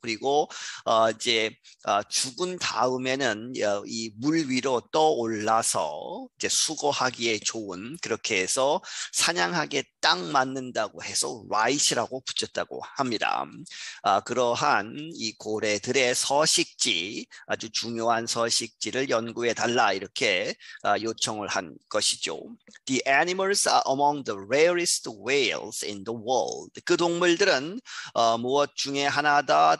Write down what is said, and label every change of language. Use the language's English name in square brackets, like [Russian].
[Korean] 그리고 이제 죽은 다음에는 이 물 위로 떠올라서 이제 수거하기에 좋은 그렇게 해서 사냥하기에 딱 맞는다고 해서 right이라고 붙였다고 합니다. 그러한 이 고래들의 서식지 아주 중요한 서식지를 연구해 달라 이렇게 요청을 한 것이죠. [English] The animals are among the rarest whales in the world. [Korean] 그 동물들은 무엇 중에 하나다?